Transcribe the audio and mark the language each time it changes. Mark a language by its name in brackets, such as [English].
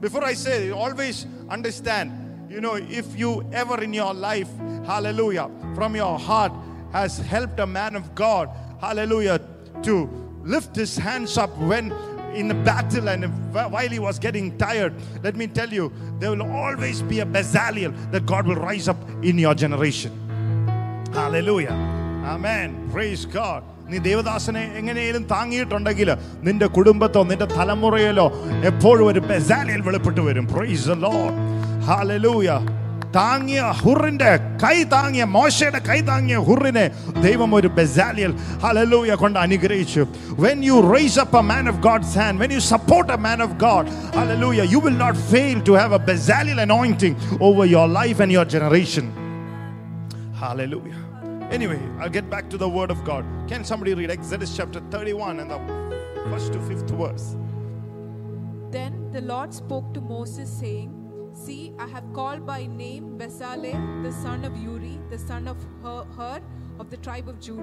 [English] Before I say, you always understand, you know, if you ever in your life, hallelujah, from your heart has helped a man of God, hallelujah, to lift his hands up when in the battle and while he was getting tired, let me tell you, there will always be a Bezalel that God will rise up in your generation. Hallelujah. Amen. Praise God. [Malayalam] നീ ദേവദാസനെ എങ്ങനെയും താങ്ങിയിട്ടുണ്ടെങ്കിൽ നിന്റെ കുടുംബത്തോ നിന്റെ തലമുറയിലോ എപ്പോഴും ഒരു ബെസാലിയൽ വെളിപ്പെട്ടു വരും. [English] Praise the Lord. [Malayalam] Hallelujah. താങ്ങിയ ഹുറിന്റെ കൈ താങ്ങിയ, മോശയുടെ കൈ താങ്ങിയ ഹുറിനെ ദൈവം ഒരു ബെസാലിയൽ ഹല്ലേലൂയ കൊണ്ട് അനുഗ്രഹിച്ചു. [English] When you raise up a man of God's hand, when you support a man of God, hallelujah, you will not fail to have a Bezalel anointing over your life and your generation. Hallelujah. Anyway, I'll get back to the word of God. Can somebody read Exodus chapter 31 and the first to fifth verse? Then the Lord spoke to Moses saying, See, I have called by name Bezalel, the son of Uri, the son of Hur, of the tribe of Judah.